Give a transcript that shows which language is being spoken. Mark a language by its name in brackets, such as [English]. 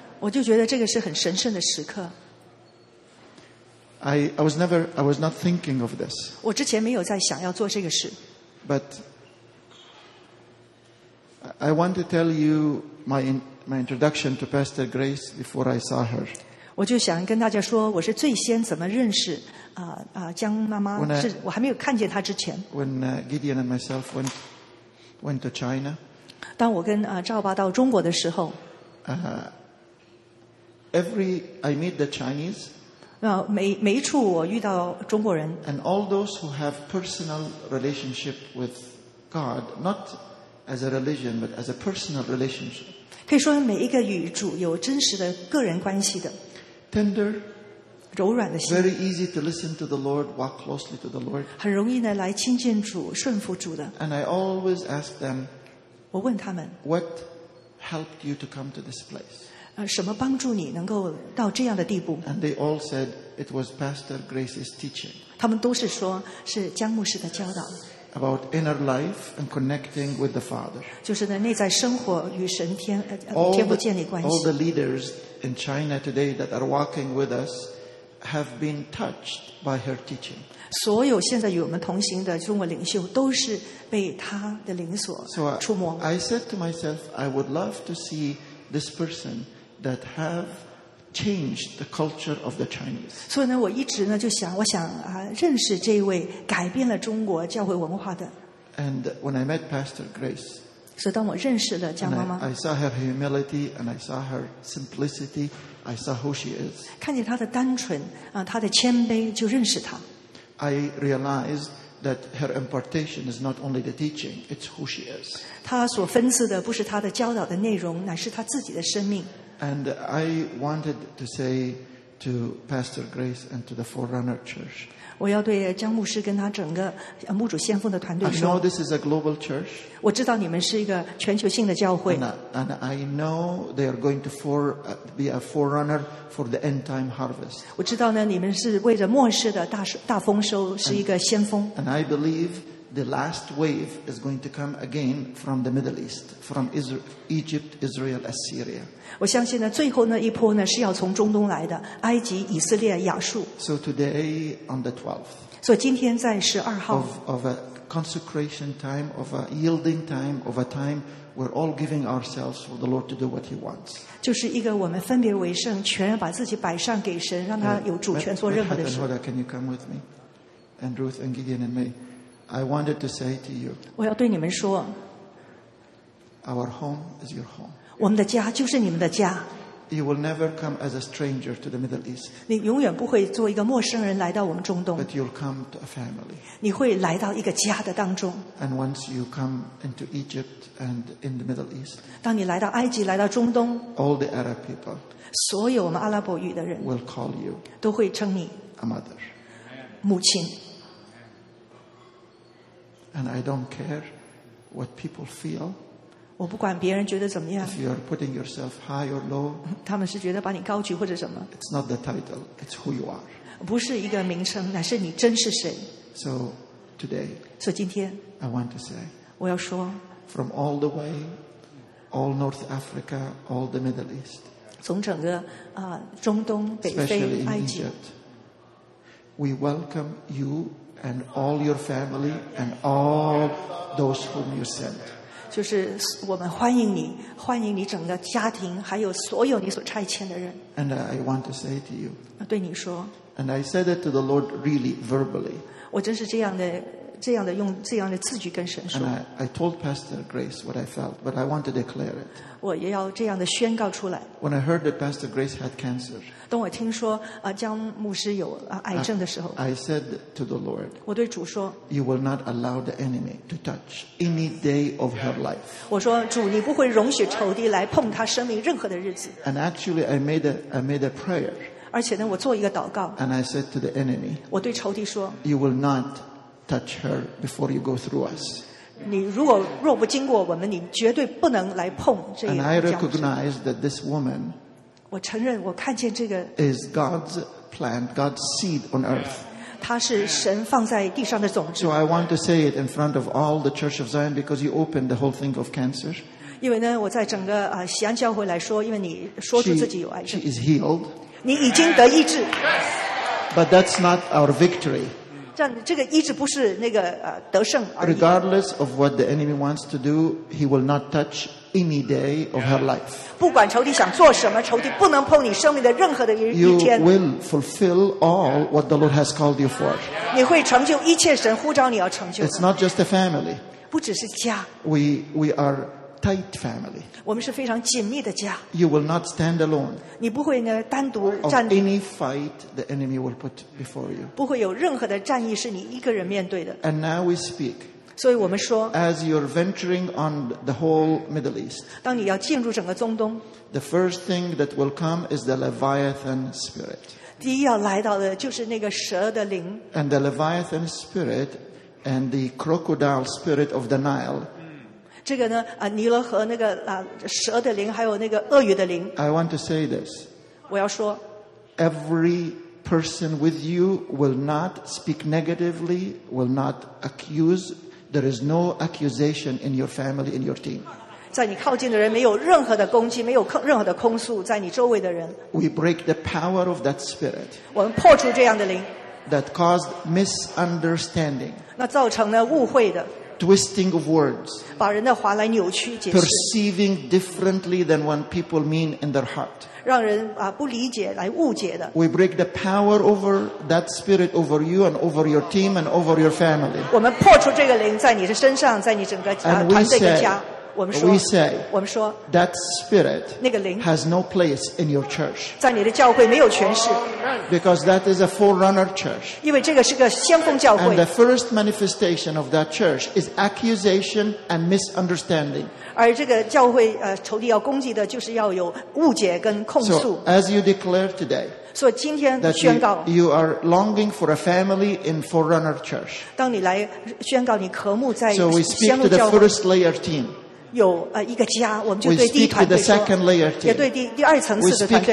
[Chinese] 我就觉得这个是很神圣的时刻。 [English] I was not thinking of this. [Chinese] 我之前没有在想要做这个事。 [English] But I want to tell you my introduction to Pastor Grace before I saw her. [Chinese] 我就想跟大家说，我是最先怎么认识江妈妈，是我还没有看见她之前。 [English] When Gideon and myself went to China. [Chinese] 当我跟赵爸到中国的时候。 [English] I meet the Chinese. [Chinese] 每一处我遇到中国人。 [English] And all those who have personal relationship with God, not as a religion, but as a personal relationship. [Chinese] 可以说每一个与主有真实的个人关系的。 [English] Tender, [Chinese] 柔软的心。 [English] Very easy to listen to the Lord, walk closely to the Lord. [Chinese] 很容易呢来亲近主，顺服主的。 [English] And I always ask them, [Chinese] 我问他们 [English] ,What helped you to come to this place? [Chinese] 什么帮助你能够到这样的地步 [English] ？And they all said it was Pastor Grace's teaching. [Chinese] 他们都是说是江牧师的教导。 [English] about inner life and connecting with the Father. [Chinese] 就是呢，内在生活与神天天父建立关系。 [English] All the leaders in China today that are walking with us have been touched by her teaching. [Chinese] 所有现在与我们同行的中国领袖都是被她的灵所触摸。 [English] So I said to myself, I would love to see this person that have. Changed the culture of the Chinese. [Chinese] 所以呢，我一直呢就想，我想啊，认识这位改变了中国教会文化的。 [English] And when I met Pastor Grace, [Chinese] 所以当我认识了江妈妈 [English] ，I saw her humility and I saw her simplicity. I saw who she is. [Chinese] 看见她的单纯啊，她的谦卑，就认识她。 [English] I realized. That her impartation is not only the teaching; it's who she is. [Chinese] 她所分赐的不是她的教导的内容，乃是她自己的生命。 [English] And I wanted to say to Pastor Grace and to the Forerunner Church. [Chinese] 我要对江牧师跟他整个牧主先锋的团队说。 [English] I know this is a global church. [Chinese] 我知道你们是一个全球性的教会。 [English] And I know they are going to be a forerunner for the end time harvest. [Chinese] 我知道呢，你们是为着末世的大丰收是一个先锋。 [English] And I believe the last wave is going to come again from the Middle East, from Egypt, Israel, Assyria. [Chinese] 我相信呢，最后那一波呢是要从中东来的，埃及、以色列、亚述。 [English] So today on the 12th. [Chinese] 所以今天在十二号。 [English] Of a consecration time, of a yielding time, of a time we're all giving ourselves for the Lord to do what He wants. [Chinese] 就是一个我们分别为圣，全然把自己摆上给神，让他有主权做任何的事。 [English] Hoda, can you come with me? And Ruth and Gideon and me. I wanted to say to you. [Chinese] 我要对你们说。 [English] Our home is your home. [Chinese] 我们的家就是你们的家。 [English] You will never come as a stranger to the Middle East. [Chinese] 你永远不会做一个陌生人来到我们中东。 [English] But you'll come to a family. [Chinese] 你会来到一个家的当中。 [English] And once you come into Egypt and in the Middle East. [Chinese] 当你来到埃及，来到中东。 [English] All the Arab people. [Chinese] 所有我们阿拉伯语的人。 [English] Will call you. [Chinese] 都会称你。 [English] A mother. [Chinese] 母亲。 [English] And I don't care what people feel. [Chinese] 我不管别人觉得怎么样。 [English] If you are putting yourself high or low, [Chinese] 他们是觉得把你高举或者什么。 [English] It's not the title. It's who you are. [Chinese] 不是一个名称，乃是你真是谁。 [English] So today, [Chinese] 所以今天 [English] I want to say, [Chinese] 我要说 [English] from all the way, all North Africa, all the Middle East, [Chinese] 从整个中东、北非、埃及 [English] we welcome you. And all your family and all those whom you sent. [Chinese] 就是我们欢迎你，欢迎你整个家庭，还有所有你所差遣的人。 [English] And I want to say to you. [Chinese] 对你说。 [English] And I said it to the Lord really verbally. [Chinese] 我真是这样的用这样的字句跟神说。 [English] And I told Pastor Grace what I felt, but I want to declare it. [Chinese] 我也要这样的宣告出来。 [English] When I heard that Pastor Grace had cancer. [Chinese] 当我听说江牧师有癌症的时候。 [English] I said to the Lord. [Chinese] 我对主说。 [English] You will not allow the enemy to touch any day of her life. [Chinese] 我说主，你不会容许仇敌来碰她生命任何的日子。 [English] And actually, I made a prayer. [Chinese] 而且呢，我做一个祷告。 [English] And I said to the enemy. [Chinese] 我对仇敌说。 [English] You will not. Touch her before you go through us. [Chinese] 你如果若不经过我们，你绝对不能来碰这个。 [English] And I recognize that this woman. [Chinese] 我承认，我看见这个。 [English] Is God's plant, God's seed on earth. [Chinese] 它是神放在地上的种子。 [English] So I want to say it in front of all the Church of Zion because you opened the whole thing of cancer. [Chinese] 因为呢，我在整个西安教会来说，因为你说出自己有癌症。 [English] She is healed. [Chinese] 你已经得医治。 [English] But that's not our victory. [Chinese] 这个一直不是那个得胜而已。 [English] Regardless of what the enemy wants to do, he will not touch any day of her life. [Chinese] 不管仇敌想做什么，仇敌不能碰你生命的任何的一天。 [English] You will fulfill all what the Lord has called you for. [Chinese] 你会成就一切神呼召你要成就的。 [English] It's not just a family. [Chinese] 不只是家。 [English] We are. Tight family. [Chinese] 我们是非常紧密的家。 [English] You will not stand alone. [Chinese] 你不会呢单独站立。 [English] Of any fight the enemy will put before you. [Chinese] 不会有任何的战役是你一个人面对的。 [English] And now we speak. [Chinese] 所以我们说。 [English] As you're venturing on the whole Middle East. [Chinese] 当你要进入整个中东。 [English] The first thing that will come is the Leviathan spirit. [Chinese] 第一要来到的就是那个蛇的灵。 [English] And the Leviathan spirit and the crocodile spirit of the Nile. [Chinese] 这个呢，尼罗河那个蛇的灵，还有那个鳄鱼的灵。 [English] I want to say this. [Chinese] 我要说。 [English] Every person with you will not speak negatively, will not accuse, There is no accusation in your family, in your team. [Chinese] 在你靠近的人没有任何的攻击，没有任何的控诉，在你周围的人。 [English] We break the power of that spirit. [Chinese] 我们破除这样的灵。 [English] That caused misunderstanding. [Chinese] 那造成了误会的。 [English] Twisting of words. [Chinese] 把人的话来扭曲解释。 [English] Perceiving differently than what people mean in their heart. [Chinese] 让人啊不理解来误解的。 [English] We break the power over that spirit over you and over your team and over your family. [Chinese] 我们破除这个灵在你的身上，在你整个团队的家。 [English] We say, [Chinese] 我们说 [English] that spirit [Chinese] 那个灵 [English] has no place in your church. [Chinese] 在你的教会没有权势 [English] Because that is a forerunner church. [Chinese] 因为这个是个先锋教会 [English] And the first manifestation of that church is accusation and misunderstanding. [Chinese] 而这个教会仇敌要攻击的就是要有误解跟控诉 [English] So as you declare today, [Chinese] 所以今天宣告 [English] that you are longing for a family in forerunner church. [Chinese] 当你来宣告你渴慕在先锋教会 [English] So we speak to the first layer team. [Chinese] 有一个家，我们就对第一团队说，也对第二层次的团队。